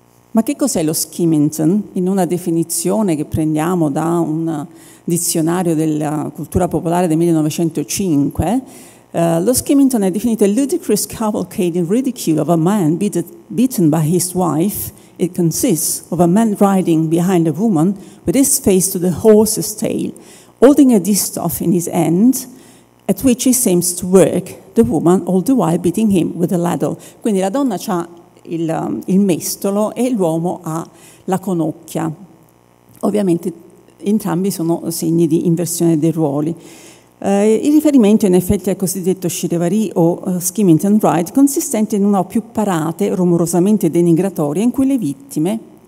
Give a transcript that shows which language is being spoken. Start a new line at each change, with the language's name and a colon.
Italian: Ma che cos'è lo skimmington? In una definizione che prendiamo da un dizionario della cultura popolare del 1905, lo skimmington è definito
English: a ludicrous cavalcade in ridicule of a man beaten by his wife. It consists of a man riding behind a woman with his face to the horse's tail, holding a distaff in his hand, at which he seems to work, the woman all the while beating him with a ladle.
Italian: Quindi la donna c'ha il mestolo e l'uomo ha la conocchia. Ovviamente entrambi sono segni di inversione dei ruoli. Il riferimento in effetti al cosiddetto charivari o skimmington ride, consistente in una o più parate rumorosamente denigratorie in cui le vittime,